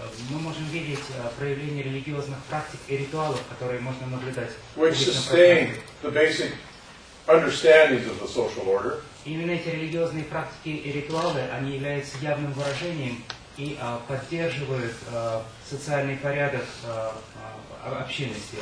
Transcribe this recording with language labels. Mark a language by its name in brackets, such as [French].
[Russian] Мы можем видеть проявление религиозных практик и ритуалов, которые можно наблюдать. [English] Which sustain the basic understandings of the social order. [Russian] Именно эти религиозные практики и ритуалы, они являются явным выражением и поддерживают социальный порядок общины.